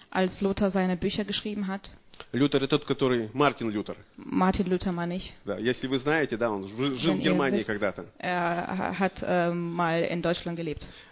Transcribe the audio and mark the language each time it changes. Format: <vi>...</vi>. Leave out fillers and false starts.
<de>als Luther seine Bücher geschrieben hat,</de> <ru>Лютер это тот, который Мартин Лютер.</ru> <de>Мартин Лютер, meine ich.</de> <ru>Да, если вы знаете, да, он жил в Германии когда-то.</ru> <de>Er hat mal in Deutschland gelebt.</de>